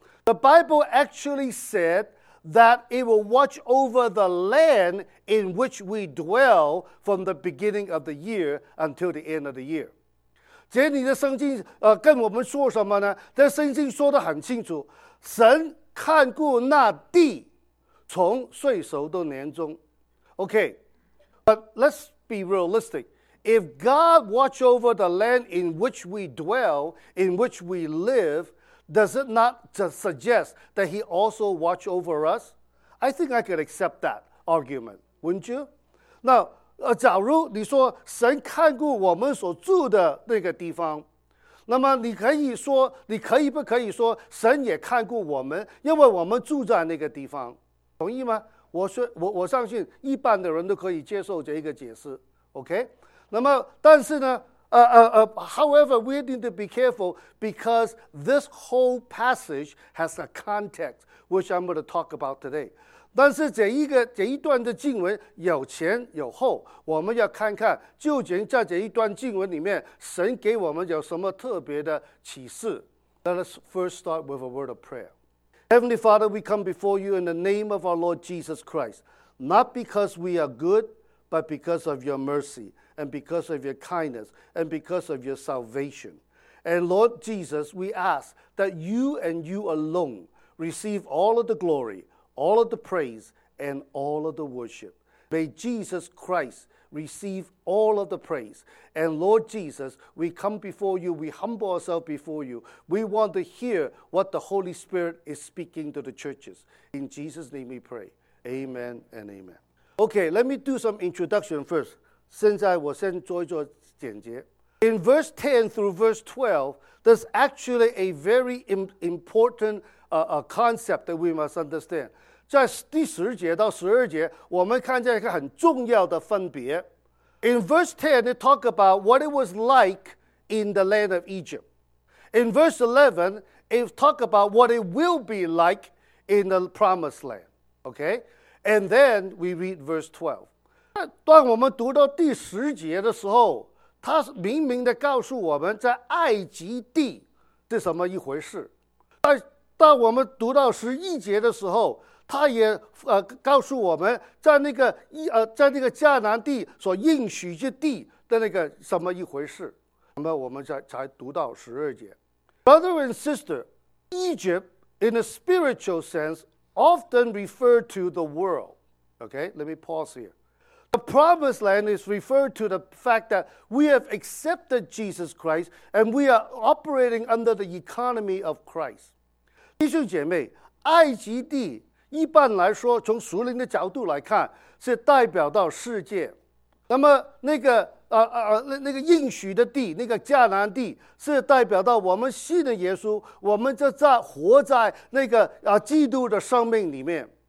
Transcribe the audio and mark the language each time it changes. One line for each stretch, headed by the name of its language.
English: The Bible actually said that it will watch over the land in which we dwell from the beginning of the year until the end of the year.
Chinese: 这里的圣经跟我们说什么呢？这圣经说得很清楚，神看顾那地，从岁首到年终。
English: Okay, but let's be realistic. If God watch over the land in which we dwell, in which we live, does it not just suggest that He also watch over us? I think I could accept that argument, wouldn't you? Now.
Chinese: 假如你说神看顾我们所住的那个地方，那么你可以说，你可以不可以说神也看顾我们，因为我们住在那个地方，同意吗？我相信一般的人都可以接受这一个解释。
English: OK，
Chinese: 那么但是呢，
English: However, we need to be careful because this whole passage has a context which I'm going to talk about today.
Chinese: 但是这一段的经文有前有后，我们要看看究竟在这一段经文里面神给我们有什么特别的启示。
English: Let us first start with a word of prayer. Heavenly Father, we come before you in the name of our Lord Jesus Christ, not because we are good, but because of your mercy, and because of your kindness, and because of your salvation. And Lord Jesus, we ask that you and you alone receive all of the glory,all of the praise, and all of the worship. May Jesus Christ receive all of the praise. And Lord Jesus, we come before you, we humble ourselves before you. We want to hear what the Holy Spirit is speaking to the churches. In Jesus' name we pray. Amen and amen. Okay, let me do some introduction first.
Chinese: 现在我先做一做简洁。
English: In verse 10 through verse 12, there's actually a very important concept that we must understand.
Chinese: 在第十节到十二节，我们看见一个很重要的分别。
English: In verse 10, they talk about what it was like in the land of Egypt. In verse 11, it talks about what it will be like in the promised land. Okay? And then we read verse 12.
Chinese: 当我们读到第十节的时候，他明明地告诉我们在埃及地是什么一回事。当我们读到十一节的时候，他也告诉我们在那个迦南地所应许之地的那个什么一回事。那么我们才读到十二节。
English: Brother and sister, Egypt in a spiritual sense often referred to the world. Okay, let me pause here. The promised land is referred to the fact that we have accepted Jesus Christ and we are operating under the economy of Christ.
Chinese: 弟兄姐妹，埃及地一般来说，从属灵的角度来看，是代表到世界。那么那个应许的地，那个迦南地，是代表到我们信的耶稣，我们就在活在那个基督的生命里面。